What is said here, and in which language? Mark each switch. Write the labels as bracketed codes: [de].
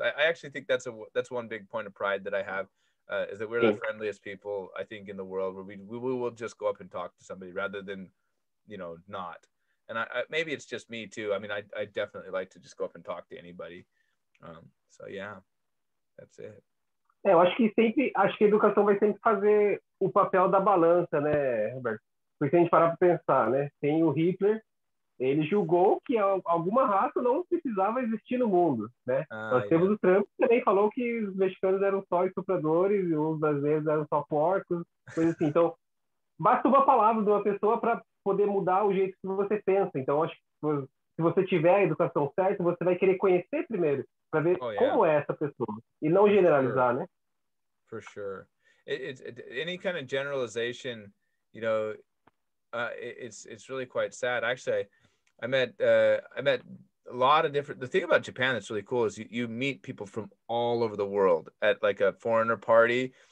[en] I actually think that's one big point of pride that I have, is that we're the friendliest people, I think, in the world, where we will just go up and talk to somebody rather than, you know, not. And I maybe it's just me too. I mean, I definitely like to just go up and talk to anybody. So yeah, that's it. [pt] É, eu acho que sempre, acho que a educação vai sempre fazer o papel da balança, né, Roberto? Porque se a gente parar para pensar, né, tem o Hitler, ele julgou que alguma raça não precisava existir no mundo, né? Nós temos o Trump, que também falou que os mexicanos eram só estupradores e os brasileiros eram só porcos, coisa assim. Então, basta uma palavra de uma pessoa para poder mudar o jeito que você pensa. Então, acho que se você tiver a educação certa, você vai querer conhecer primeiro, para ver como é essa pessoa, e não generalizar, né? [en] For sure. Any kind of generalization, you know, it's really quite sad. Actually, I met a lot of different, the thing about Japan that's really cool is you meet people from all over the world at like a foreigner party.